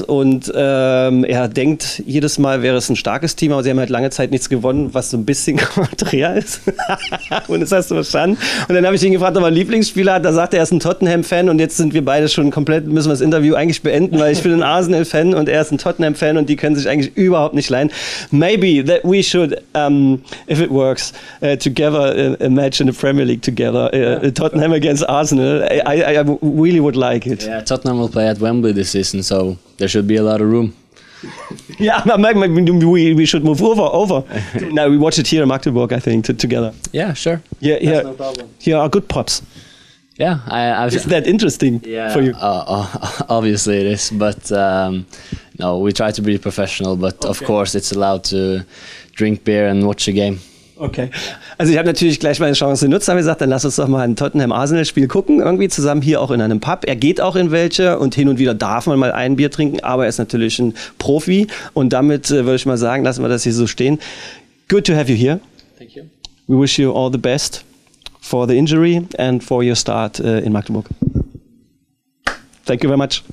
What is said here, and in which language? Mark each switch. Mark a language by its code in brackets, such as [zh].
[de] Und er denkt, jedes Mal wäre es ein starkes Team, aber sie haben halt lange Zeit nichts gewonnen, was so ein bisschen konträr ist. Und das hast du verstanden. Und dann habe ich ihn gefragt, ob er einen Lieblingsspieler hat. Da sagt er, er ist ein Tottenham-Fan und jetzt sind wir beide schon komplett, müssen wir das Interview eigentlich beenden, weil ich bin ein Arsenal-Fan und er ist ein Tottenham-Fan und die können sich eigentlich überhaupt nicht leiden. [en] Maybe that we should, if it works, together, a match in the Premier League together, Tottenham against Arsenal. I really would like it. Yeah, Tottenham will play at Wembley this season, so there should be a lot of room. Yeah, we should move over. No, we watch it here in Magdeburg, I think, together. Yeah, sure. Yeah, that's yeah. No problem. Here are good pubs. Yeah, is that interesting for you? Obviously it is, but no, we try to be professional. But okay. Of course, it's allowed to drink beer and watch a game. [de] Okay, also ich habe natürlich gleich meine Chance genutzt, habe gesagt, dann lass uns doch mal ein Tottenham-Arsenal-Spiel gucken, irgendwie zusammen hier auch in einem Pub. Er geht auch in welche und hin und wieder darf man mal ein Bier trinken, aber er ist natürlich ein Profi und damit würde ich mal sagen, lassen wir das hier so stehen. [en] Good to have you here. Thank you. We wish you all the best for the injury and for your start in Magdeburg. Thank you very much.